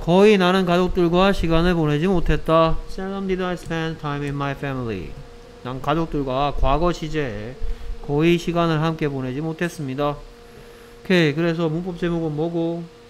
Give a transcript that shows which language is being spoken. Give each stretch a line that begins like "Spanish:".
Korean: 거의 나는 가족들과 시간을 보내지 못했다.
English: Seldom did I spend time with my family.
Korean: 난 가족들과 과거 시제에 거의 시간을 함께 보내지 못했습니다. 오케이. 그래서 문법 제목은 뭐고?